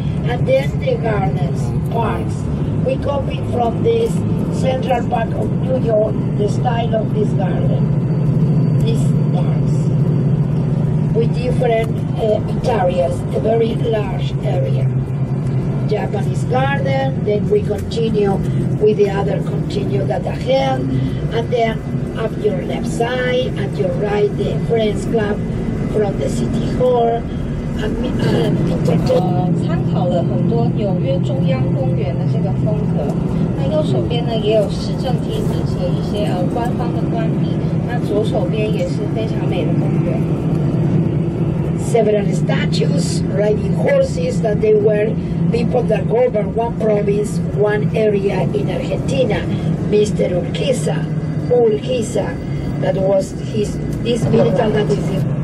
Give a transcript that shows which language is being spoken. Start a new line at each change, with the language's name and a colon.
English: And then the gardens, parks. We copy from this Central Park of New York, the style of this garden, these parks, with different areas, a very large area. Japanese garden, then we continue with the other continue that ahead, and then up your left side, at your right, the Friends Club from the City Hall,
Chinese: 参考了很多纽约中央公园的这个风格。那右手边呢也有市政厅，并且一些官方的官邸。那左手边也是非常美的公园。
English: Several statues riding horses that they were people that govern one province, one area in Argentina. Mr. Urquiza, Urquiza, that was his this military that is.